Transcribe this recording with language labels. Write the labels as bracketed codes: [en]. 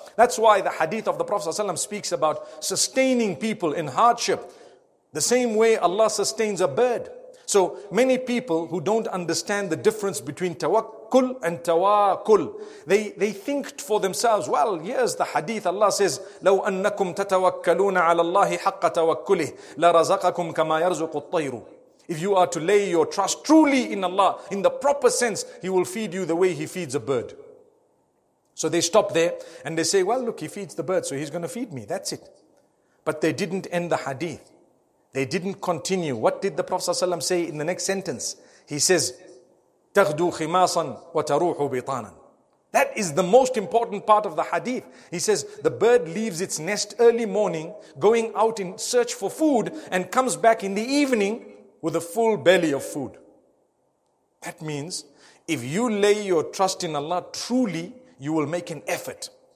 [en] That's why the hadith of the Prophet ﷺ speaks about sustaining people in hardship. The same way Allah sustains a bird. So many people who don't understand the difference between tawakkul and tawakul, they think for themselves, well, here's the hadith. Allah says, [ar] لَوْ أَنَّكُمْ تَتَوَكَّلُونَ عَلَى اللَّهِ حَقَّ تَوَكُّلِهِ لَرَزَقَكُمْ كَمَا يَرْزُقُ الطَّيْرُ. [en] If you are to lay your trust truly in Allah, in the proper sense, He will feed you the way He feeds a bird. So they stop there and they say, well, look, He feeds the bird, so He's going to feed me. That's it. But they didn't end the hadith. They didn't continue. What did the Prophet ﷺ say in the next sentence? He says, [ar] تَغْدُو خِمَاصًا وَتَرُوحُ بِطَانًا. [en] That is the most important part of the hadith. He says, the bird leaves its nest early morning, going out in search for food, and comes back in the evening with a full belly of food. That means, if you lay your trust in Allah truly, you will make an effort.